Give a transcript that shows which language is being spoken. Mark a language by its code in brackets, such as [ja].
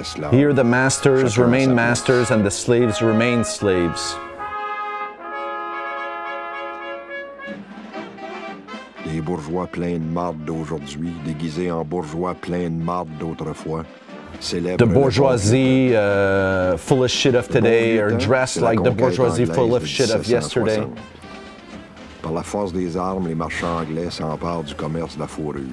[en] Here the masters remain masters and the slaves remain slaves. [fr] Des bourgeois pleins de marde d'aujourd'hui, déguisés en bourgeois pleins de marde d'autrefois, célèbrent [en] the bourgeoisie full of shit of today, or dressed like the bourgeoisie full of shit of yesterday. [fr] Par la force des armes, les marchands anglais s'emparent du commerce de la fourrure.